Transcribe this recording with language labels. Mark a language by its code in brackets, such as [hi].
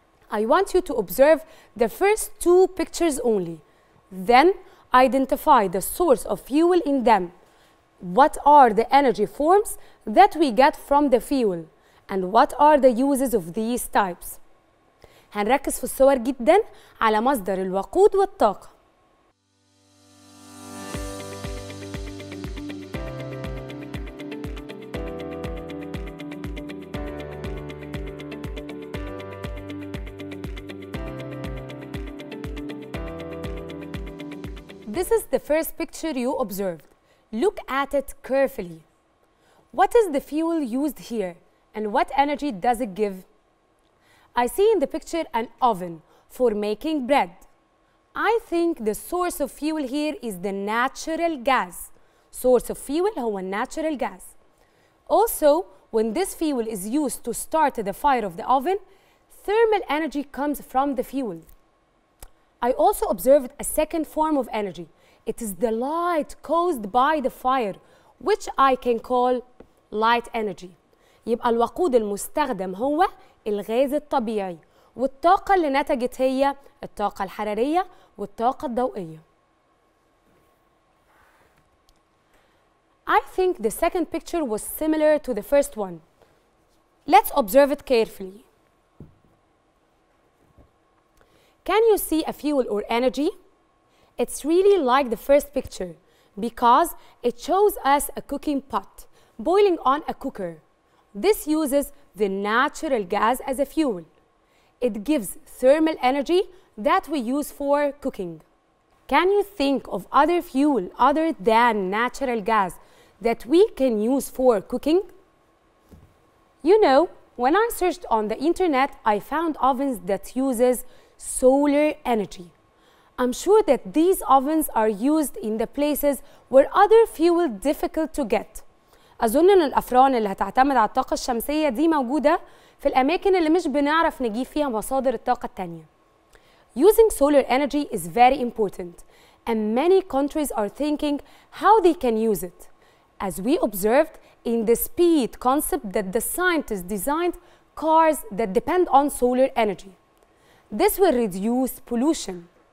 [en] I want you to observe the first two pictures only. Then, identify the source of fuel in them. What are the energy forms that we get from the fuel? And what are the uses of these types? [ar] هنركز في الصور جدا على مصدر الوقود والطاقة. [en] This is the first picture you observed. Look at it carefully. What is the fuel used here and what energy does it give? I see in the picture an oven for making bread. I think the source of fuel here is the natural gas. Source of fuel هو natural gas. Also, when this fuel is used to start the fire of the oven, thermal energy comes from the fuel. I also observed a second form of energy. It is the light caused by the fire, which I can call light energy. [ar] يبقى الوقود المستخدم هو الغاز الطبيعي والطاقة اللي نتجت هي الطاقة الحرارية والطاقة الضوئية. [en] I think the second picture was similar to the first one. Let's observe it carefully. Can you see a fuel or energy? It's really like the first picture because it shows us a cooking pot boiling on a cooker. This uses the natural gas as a fuel. It gives thermal energy that we use for cooking. Can you think of other fuel other than natural gas that we can use for cooking? You know, when I searched on the internet, I found ovens that uses solar energy. I'm sure that these ovens are used in the places where other fuel difficult to get. [ar] أظن أن الأفران اللي هتعتمد على الطاقة الشمسية دي موجودة في الأماكن اللي مش بنعرف نجيب فيها مصادر الطاقة التانية. [en] Using solar energy is very important, and many countries are thinking how they can use it. As we observed in the speed concept that the scientists designed cars that depend on solar energy. This will reduce pollution.